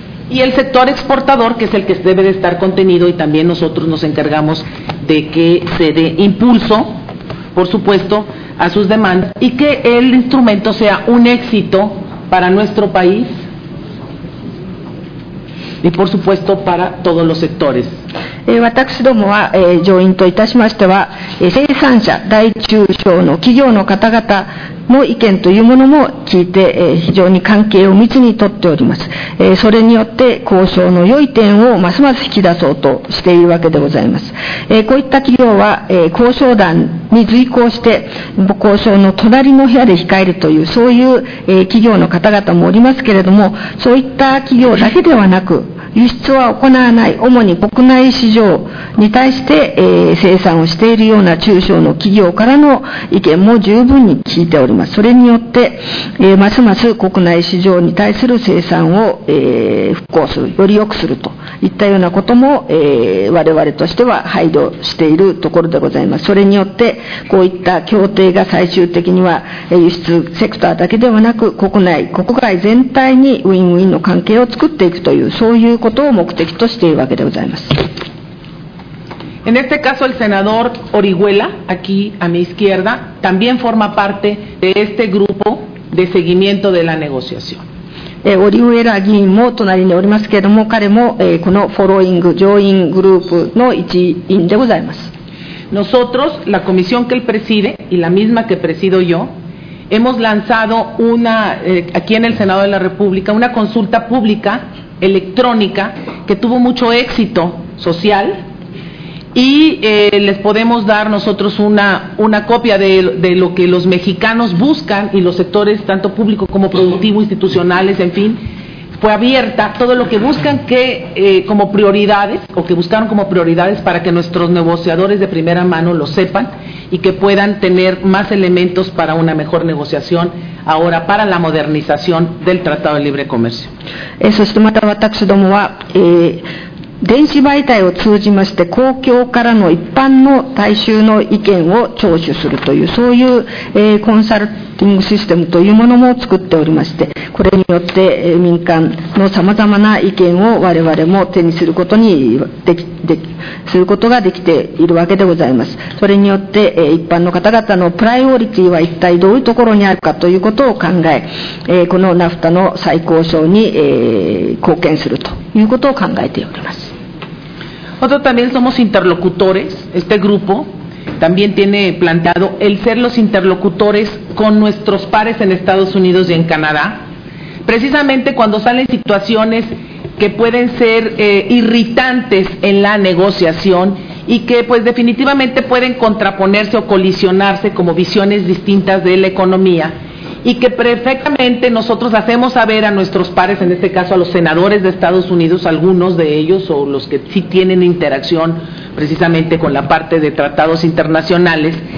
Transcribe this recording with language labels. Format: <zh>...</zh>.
<es>Y el sector exportador, que es el que debe de estar contenido, y también nosotros nos encargamos de que se dé impulso, por supuesto, a sus demandas, y que el instrumento sea un éxito para nuestro país y por supuesto para todos los sectores.</es> <ja>私どもは、上院といたしましては、生産者、大中小の企業の方々の意見というものも聞いて、非常に関係を密に取っております。それによって交渉の良い点をますます引き出そうとしているわけでございます。こういった企業は、交渉団に随行して、交渉の隣の部屋で控えるという、そういう、企業の方々もおりますけれども、そういった企業だけではなく、輸出は行わない、主に国内市場に対して、生産をしているような中小の企業からの意見も十分に聞いております。それによって、ますます国内市場に対する生産を、復興する、より良くするといったようなことも、我々としては配慮しているところでございます。それによってこういった協定が最終的には輸出セクターだけではなく国内、国外全体にウィンウィンの関係を作っていくという、そういう</ja> <es>En este caso, el senador Orihuela, aquí a mi izquierda, también forma parte de este grupo de seguimiento de la negociación.</es> <ja>Orihuela 議員も隣におりますけれども、彼も、このフォローイング、上院グループの一員でございます。</ja> <es>Nosotros, la comisión que él preside y la misma que presido yo, hemos lanzado una, aquí en el Senado de la República, una consulta pública. Electrónica que tuvo mucho éxito social y、les podemos dar nosotros una copia de lo que los mexicanos buscan y los sectores tanto público como productivo, institucionales, en fin, fue abierta todo lo que buscan que、como prioridades o que buscaron como prioridades para que nuestros negociadores de primera mano lo sepan y que puedan tener más elementos para una mejor negociación. Ahora, para la modernización del Tratado de Libre Comercio.</es> <ja>そしてまた私どもは、電子媒体を通じまして公共からの一般の大衆の意見を聴取するというそういう、コンサルティングシステムというものも作っておりまして、これによって、民間のさまざまな意見を我々も手にすることにすることができているわけでございます。それによって、一般の方々のプライオリティは一体どういうところにあるかということを考え、このナフタの再交渉に、貢献するということを考えております。</ja> <es>Nosotros también somos interlocutores, este grupo también tiene planteado el ser los interlocutores con nuestros pares en Estados Unidos y en Canadá, precisamente cuando salen situaciones que pueden ser、irritantes en la negociación y que pues definitivamente pueden contraponerse o colisionarse como visiones distintas de la economía y que perfectamente nosotros hacemos saber a nuestros pares, en este caso a los senadores de Estados Unidos, algunos de ellos o los que sí tienen interacción precisamente con la parte de tratados internacionales</es>